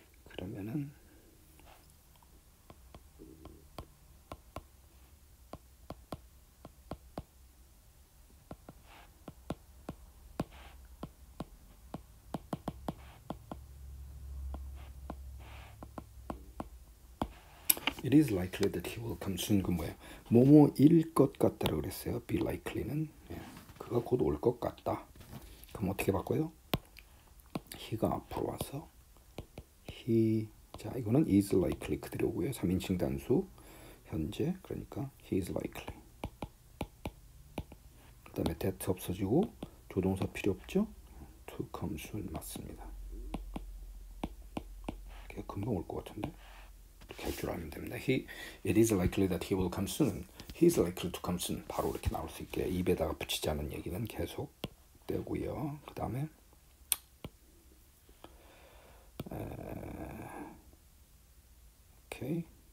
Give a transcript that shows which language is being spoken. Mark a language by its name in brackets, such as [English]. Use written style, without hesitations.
[Korean] 그러면은 [English] It is likely that he will come soon. [Korean] 그 뭐예요? 뭐뭐일 것 같다 그랬어요. [English] Be likely는 [Korean] 그가 곧올것 같다. 그럼 어떻게 바꿔요? He가 앞으로 와서 He 자 이거는 [English] is likely [Korean] 그대로고요. 3인칭 단수 현재 그러니까 [English] he is likely. [Korean] 그다음에 that 없어지고 조동사 필요 없죠? [English] To come soon [Korean] 맞습니다. 걔 금방 올것 같은데 이렇게 할줄 알면 됩니다. [English] He it is likely that he will come soon. He is likely to come soon. [Korean] 바로 이렇게 나올 수 있게 입에다가 붙이지 않은 얘기는 계속 되고요. 그다음에 오케이.